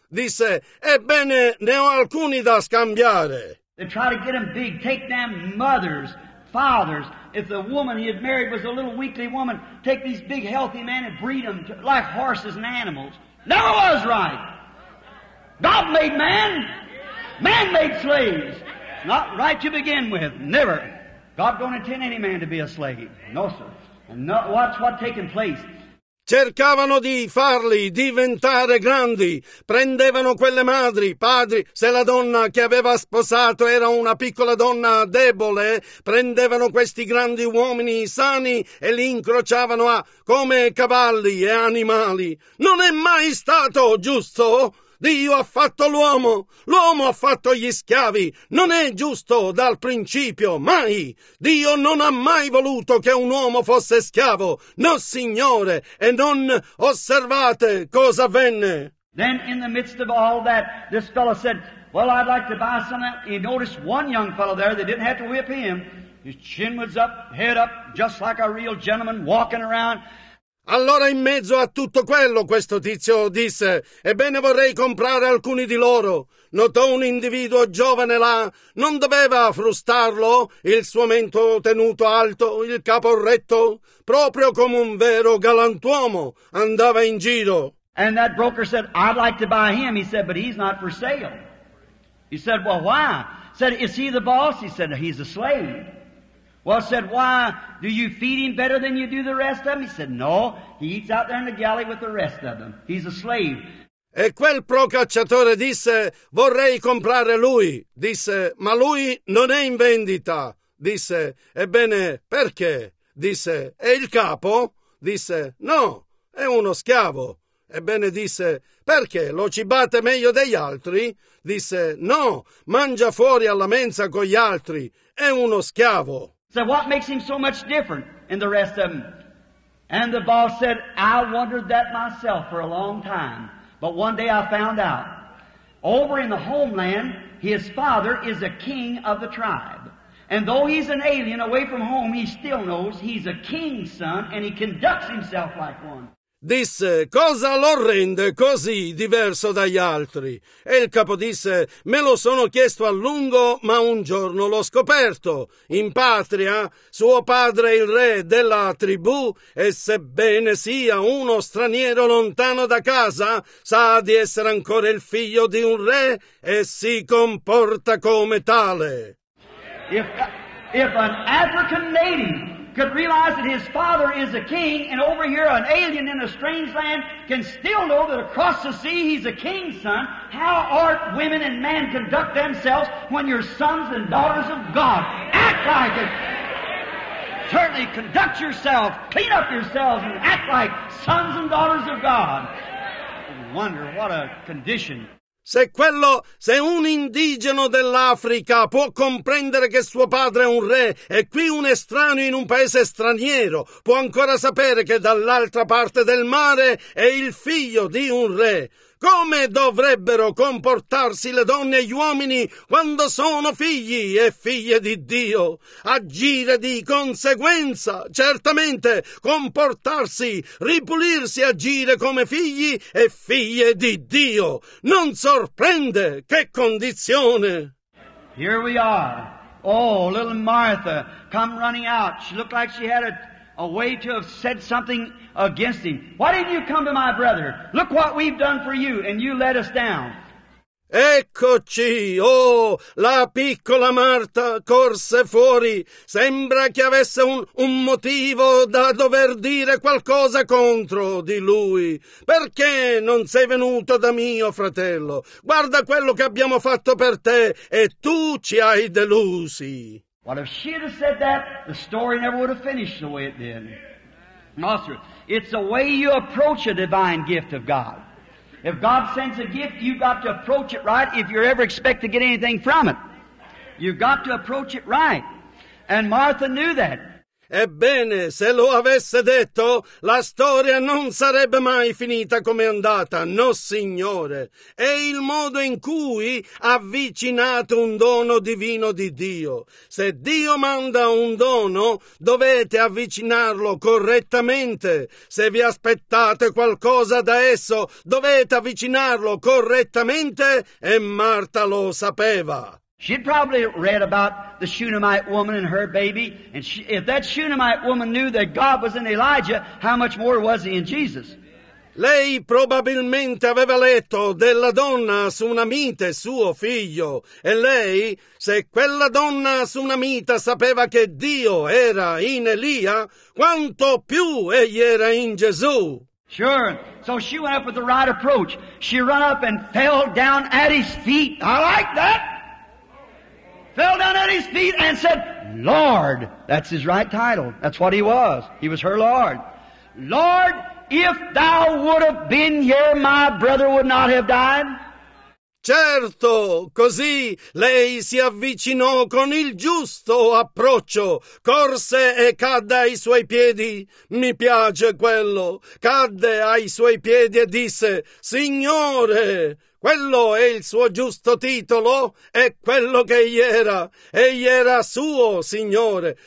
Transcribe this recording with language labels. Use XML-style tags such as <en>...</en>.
<it>Disse, ebbene, ne ho alcuni da scambiare.</it> <en>They try to get them big, take them mothers, fathers. If the woman he had married was a little weakly woman, take these big healthy men and breed them like horses and animals. Never was right. God made man. Man made slaves. Not right to begin with. Never. God don't intend any man to be a slave. No, sir. And no, watch what's taking place.</en> <it>Cercavano di farli diventare grandi. Prendevano quelle madri, padri. Se la donna che aveva sposato era una piccola donna debole, prendevano questi grandi uomini sani e li incrociavano a come cavalli e animali. Non è mai stato giusto. Dio ha fatto l'uomo. L'uomo ha fatto gli schiavi. Non è giusto dal principio, mai. Dio non ha mai voluto che un uomo fosse schiavo. No, Signore, e non osservate cosa avvenne.</it> <en>Then in the midst of all that, this fellow said, well, I'd like to buy some. He noticed one young fellow there. They didn't have to whip him. His chin was up, head up, just like a real gentleman walking around.</en> <it>Allora in mezzo a tutto quello questo tizio disse, ebbene vorrei comprare alcuni di loro. Notò un individuo giovane là, non doveva frustarlo, il suo mento tenuto alto, il capo retto, proprio come un vero galantuomo, andava in giro.</it> <en>And that broker said, I'd like to buy him. He said, but he's not for sale. He said, well, why? Said, is he the boss? He said, he's a slave. Well, said, why, do you feed him better than you do the rest of them? He said, no, he eats out there in the galley with the rest of them. He's a slave.</en> <it>E quel procacciatore disse, vorrei comprare lui. Disse, ma lui non è in vendita. Disse, ebbene, perché? Disse, è il capo? Disse, no, è uno schiavo. Ebbene, disse, perché? Lo cibate meglio degli altri? Disse, no, mangia fuori alla mensa con gli altri. È uno schiavo.</it> <en>Said, what makes him so much different than the rest of them? And the boss said, I wondered that myself for a long time. But one day I found out. Over in the homeland, his father is a king of the tribe. And though he's an alien away from home, he still knows he's a king's son and he conducts himself like one.</en> <it>Disse, cosa lo rende così diverso dagli altri? E il capo disse, me lo sono chiesto a lungo, ma un giorno l'ho scoperto. In patria, suo padre è il re della tribù, e sebbene sia uno straniero lontano da casa, sa di essere ancora il figlio di un re e si comporta come tale.</it> <en>If an African native could realize that his father is a king, and over here an alien in a strange land can still know that across the sea he's a king's son. How ought women and men conduct themselves when you're sons and daughters of God? Act like it. certainly conduct yourselves, clean up yourselves, and act like sons and daughters of God. I wonder what a condition.</en> <it>Se un indigeno dell'Africa può comprendere che suo padre è un re e qui un estraneo in un paese straniero può ancora sapere che dall'altra parte del mare è il figlio di un re. Come dovrebbero comportarsi le donne e gli uomini quando sono figli e figlie di Dio? Agire di conseguenza, certamente, comportarsi, ripulirsi, agire come figli e figlie di Dio. Non sorprende, che condizione!</it> <en>Here we are. Oh, little Martha, come running out. She looked like she had a way to have said something against him. Why didn't you come to my brother? Look what we've done for you, and you let us down.</en> <it>Eccoci, oh, la piccola Marta corse fuori. Sembra che avesse un motivo da dover dire qualcosa contro di lui. Perché non sei venuto da mio fratello? Guarda quello che abbiamo fatto per te, e tu ci hai delusi.</it> <en>What if she had said that, the story never would have finished the way it did. Master, it's the way you approach a divine gift of God. If God sends a gift, you've got to approach it right if you ever expect to get anything from it. You've got to approach it right. And Martha knew that.</en> <it>Ebbene, se lo avesse detto, la storia non sarebbe mai finita come è andata, no signore. È il modo in cui ha avvicinato un dono divino di Dio. Se Dio manda un dono, dovete avvicinarlo correttamente. Se vi aspettate qualcosa da esso, dovete avvicinarlo correttamente, e Marta lo sapeva.</it> <en>She'd probably read about the Shunammite woman and her baby, and if that Shunammite woman knew that God was in Elijah, how much more was he in Jesus?</en> <it>Lei probabilmente aveva letto della donna Sunamite, suo figlio, e lei, se quella donna Sunamita sapeva che Dio era in Elia, quanto più egli era in Gesù?</it> <en>Sure. So she went up with the right approach. She ran up and fell down at his feet. I like that! Fell down at his feet and said, Lord, that's his right title. That's what he was. He was her Lord. Lord, if thou would have been here, my brother would not have died.</en> <it>Certo, così lei si avvicinò con il giusto approccio, corse e cadde ai suoi piedi. Mi piace quello. Cadde ai suoi piedi e disse, Signore, quello è il suo giusto titolo, è quello che egli era suo Signore.</it>